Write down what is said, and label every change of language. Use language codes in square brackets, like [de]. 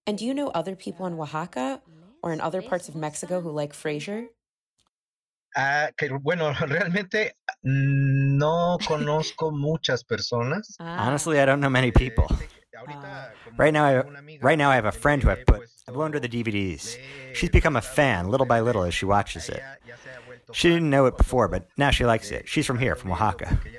[en] And do you know other people in Oaxaca or in other parts of Mexico who like Frasier? [es] Bueno, realmente no conozco muchas personas. [en] Honestly, I don't know many people. Right now, I have a friend who I've loaned her the DVDs. She's become a fan, little by little, as she watches it. She didn't know it before, but now she likes it. She's from here, from Oaxaca.